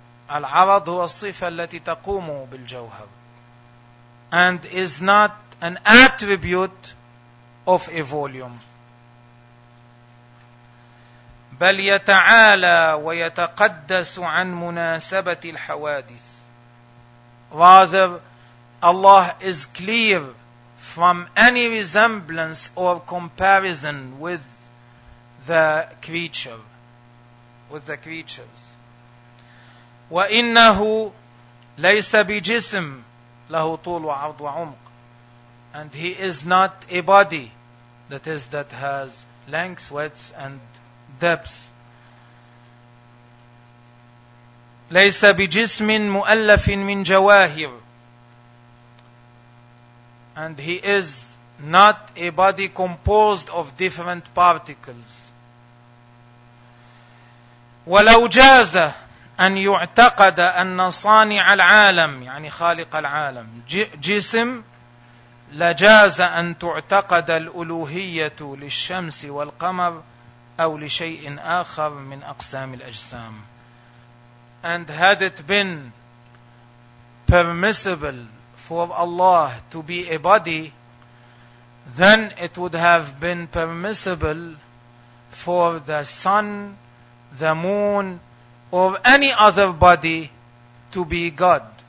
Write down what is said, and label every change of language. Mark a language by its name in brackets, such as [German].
[Arabic] العرض هو الصفة التي تقوم بالجوهر. [English] And is not an attribute of a volume. [Arabic] بل يتعالى ويتقدس عن مناسبة الحوادث. [English] Rather, Allah is clear from any resemblance or comparison with the creature, with the creatures. [Arabic] وإنه ليس بجسم له طول وعرض وعمق. [English] And he is not a body, that is, that has lengths, widths and depths. [Arabic] ليس بجسم مؤلف من جواهر. [English] And he is not a body composed of different particles. [Arabic] ولو جاز أن يعتقد أن صانع العالم, يعني خالق العالم, جسم, لجاز أن تعتقد الألوهية للشمس والقمر أو لشيء آخر من أقسام الأجسام. [English] And had it been permissible for Allah to be a body, then it would have been permissible for the sun, the moon, or any other body to be God.